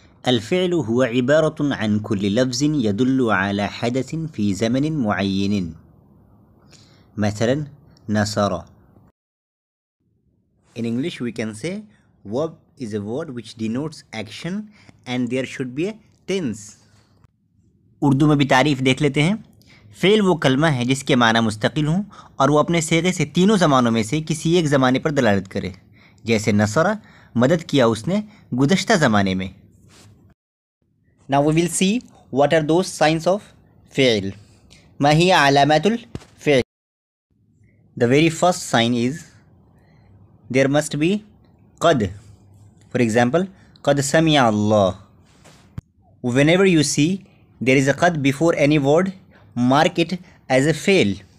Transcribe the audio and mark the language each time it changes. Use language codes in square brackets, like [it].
[ar] الفعل هو عبارة عن كل لفظ يدل على حدث في زمن معين. مثلا نصر. [en] In English we can say verb is a word which denotes action and there should be a tense. [ur] Urdu میں بھی تعریف دیکھ لیتے ہیں. فعل وہ کلمہ ہے جس کے معنی مستقل ہوں اور وہ اپنے صیغے سے تینوں زمانوں میں سے کسی ایک زمانے پر دلالت کرے. جیسے نصر مدد کیا اس نے گزشتہ زمانے میں. [en] Now we will see what are those signs of فعل. [ar] ما هي علامات الفعل. [en] The very first sign is there must be قد. For example [ar] قد سمع الله. [en] Whenever you see there is a قد before any word, mark it as a فعل.